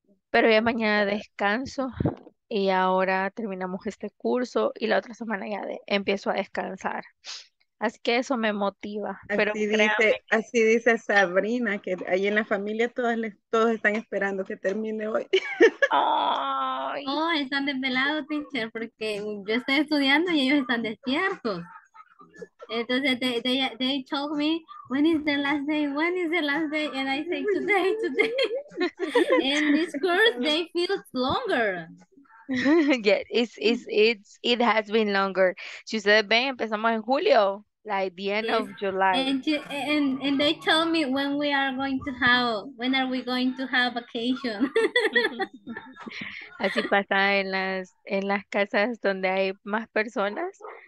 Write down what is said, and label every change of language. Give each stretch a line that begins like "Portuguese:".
Spanish: Pero ya mañana descanso. Y ahora terminamos este curso y la otra semana ya empiezo a descansar. Así que eso me motiva. Así, pero dice, así dice Sabrina, que ahí en la familia todos están esperando que termine hoy. ¡Ay! Oh, están desvelados, teacher, porque yo estoy estudiando y ellos están despiertos. Entonces,
English: they told me, when is the last day? When is the last day? And I say, today. And this course, they feel longer. Yeah, it has been longer.
Spanish: Si ustedes ven, empezamos en julio,
English: like the end of July. And they told me when are we going to have vacation.
Spanish: Así pasa en las casas donde hay más personas.